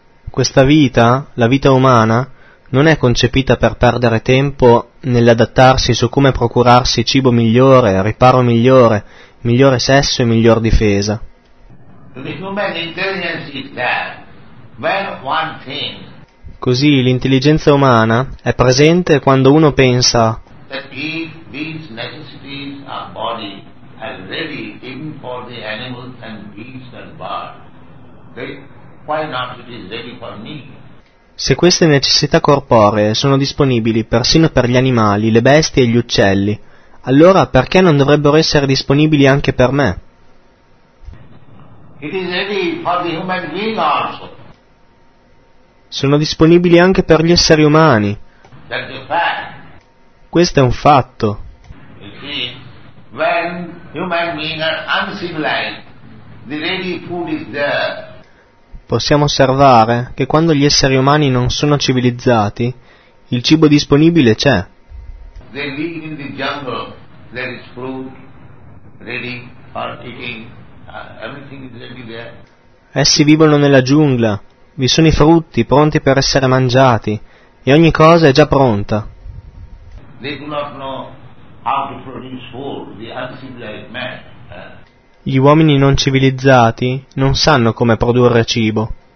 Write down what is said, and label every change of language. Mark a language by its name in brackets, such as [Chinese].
[Italian] Questa vita, la vita umana, non è concepita per perdere tempo nell'adattarsi su come procurarsi cibo migliore, riparo migliore, migliore sesso e miglior difesa. [English] The human intelligence is there when one thinks. [Italian] Così l'intelligenza umana è presente quando uno pensa. [English] That if these necessities are body already even for the animals and beasts and birds, then why not it is ready for me? [Italian] Se queste necessità corporee sono disponibili persino per gli animali, le bestie e gli uccelli, allora perché non dovrebbero essere disponibili anche per me? [English] It is ready for the human being also. [Italian] Sono disponibili anche per gli esseri umani. [English] That's a fact. [Italian] Questo è un fatto. [English] You see, when human beings are uncivilized, the ready food is there. [Italian] Possiamo osservare che quando gli esseri umani non sono civilizzati, il cibo disponibile c'è. [English] They live in the jungle, there is fruit ready for eating, everything is ready there. [Italian] Essi vivono nella giungla, vi sono i frutti pronti per essere mangiati e ogni cosa è già pronta. [English] They do not know how to produce food, the uncivilized man. [Italian] Gli uomini non civilizzati non sanno come produrre cibo.